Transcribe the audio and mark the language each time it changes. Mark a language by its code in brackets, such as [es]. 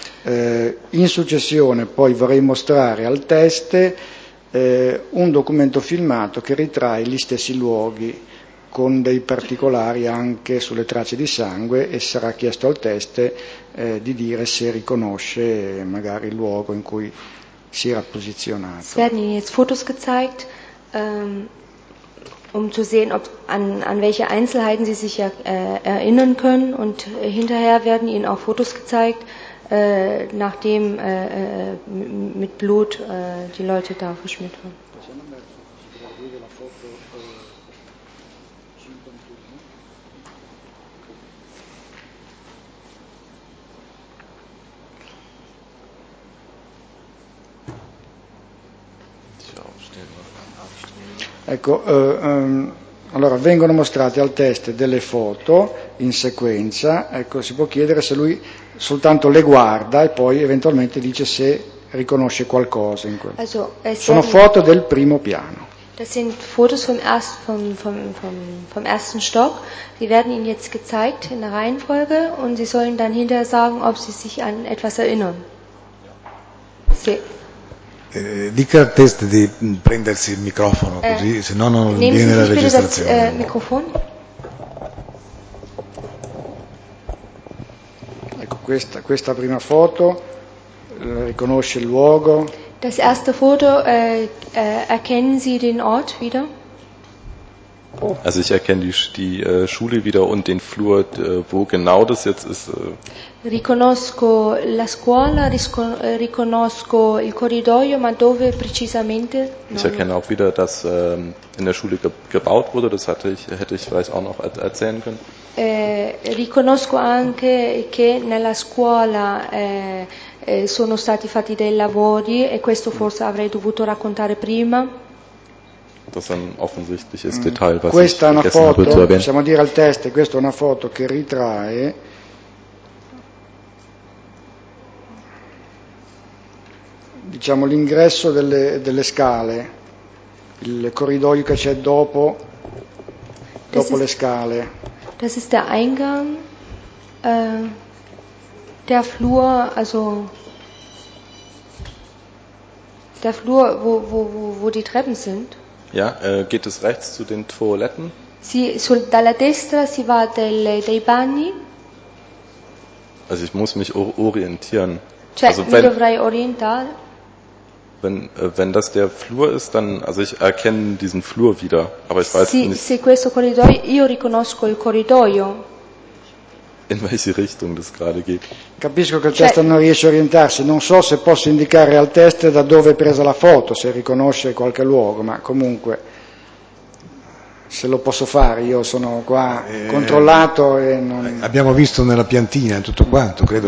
[it] In successione poi vorrei mostrare al test un documento filmato che ritrae gli stessi luoghi con dei particolari anche sulle tracce di sangue, e sarà chiesto al test di dire se riconosce magari il luogo in cui si era posizionato. [de] Es werden jetzt Fotos gezeigt um zu sehen, ob an welche Einzelheiten Sie sich erinnern können. Und hinterher werden Ihnen auch Fotos gezeigt, nachdem mit Blut die Leute da verschmiert wurden. [it] Ecco, allora vengono mostrate al test delle foto in sequenza, ecco, si può chiedere se lui soltanto le guarda e poi eventualmente dice se riconosce qualcosa in quel. [de] Also, [it] sono foto del primo piano. [de] Das sind Fotos vom ersten Stock. Die werden Ihnen jetzt gezeigt in der Reihenfolge und Sie sollen dann hinterher sagen, ob Sie sich an etwas erinnern. [it] Sì. Dica al test di prendersi il microfono, così se no non viene la registrazione. Microfono. questa prima foto riconosce il luogo. [de] Das erste Foto erkennen Sie den Ort wieder? Oh. Also ich erkenne die Schule wieder und den Flur, wo genau das jetzt ist. [it] Riconosco la scuola, riconosco il corridoio, ma dove precisamente? [de] Ich erkenne auch wieder, dass in der Schule gebaut wurde. Das hätte ich vielleicht auch noch erzählen können. [it] Riconosco anche che nella scuola sono stati fatti dei lavori e questo forse avrei dovuto raccontare prima. [de] Das ist ein offensichtliches Detail, was [it] questa [de] ich [it] una foto, [de] habe zu erwähnen. [it] Possiamo dire al test, questa è una foto che ritrae diciamo l'ingresso delle scale, il corridoio che c'è dopo le scale. [de] Das ist der Eingang der Flur, also der Flur, wo die Treppen sind. Ja, geht es rechts zu den Toiletten? [it] Sì, dalla destra si va dei bagni. [de] Also ich muss mich orientieren. [it] Cioè, [de] also [it] mi dovrei orientare. [de] Wenn das der Flur ist, dann also ich erkenne diesen Flur wieder, aber ich weiß nicht. [it] Sì, questo corridoio, io riconosco il corridoio. [de] In welche Richtung das gerade geht. [it] Capisco che il test non riesce a orientarsi, non so se posso indicare al test da dove è presa la foto, se riconosce qualche luogo, ma comunque se lo posso fare, io sono qua controllato e non... Abbiamo visto nella piantina tutto quanto, credo